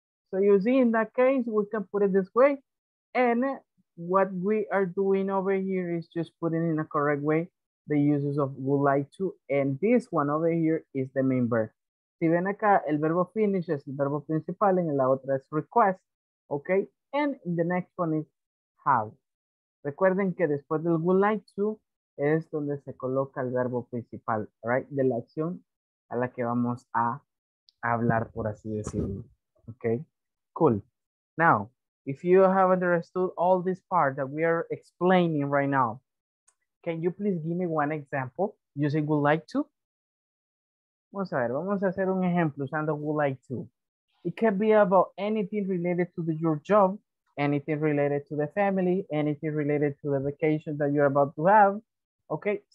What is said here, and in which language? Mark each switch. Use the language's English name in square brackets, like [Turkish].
[English] So you see, in that case, we can put it this way. And what we are doing over here is just putting in a correct way the uses of would like to. And this one over here is the main verb. [Spanish] Si ven acá, el verbo finish es el verbo principal, en la otra es request. Okay? [English] And the next one is have. [Spanish] Recuerden que después del would like to es donde se coloca el verbo principal, right? De la acción a la que vamos a hablar, por así decirlo. [English] Okay? Cool. Now, if you have understood all this part that we are explaining right now, can you please give me one example using would like to? [Spanish] Vamos a ver, vamos a hacer un ejemplo usando would like to. [English] It can be about anything related to the, your job, anything related to the family, anything related to the vacation that you're about to have, okay?